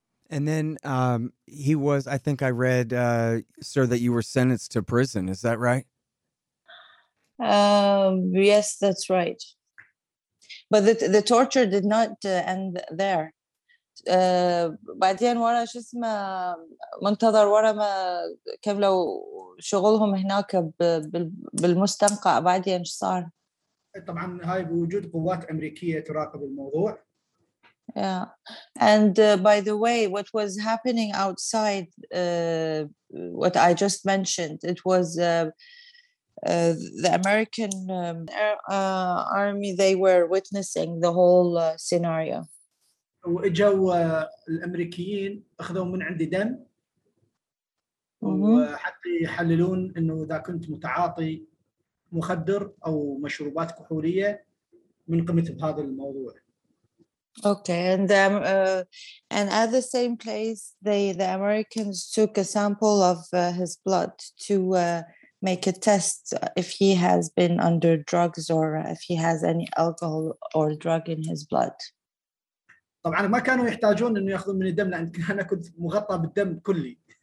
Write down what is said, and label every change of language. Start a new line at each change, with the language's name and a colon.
English: And then he was, I think I read, sir, that you were sentenced to prison. Is that right? Yes, that's right. But the torture did not end there.
Arabic: بعدين ورا شو اسمه منتظر ورا ما كملوا شغلهم هناك بالمستنقع بعدين شو صار؟ طبعا هاي بوجود قوات أمريكية تراقب الموضوع.
English: Yeah, and by the way, what was happening outside, what I just mentioned, it was the American army, they were witnessing the whole scenario.
Arabic: وإجوا الأمريكيين أخذوا من عندي دم وحتى يحللون إنه إذا كنت متعاطي مخدر أو مشروبات كحولية من قمت بهذا الموضوع.
English: Okay, and at the same place, the Americans took a sample of his blood to make a test if he has been under drugs or if he has any alcohol or drug in his blood.
Arabic: طبعا ما كانوا يحتاجون انه ياخذون مني دم لان انا كنت مغطى بالدم كلي.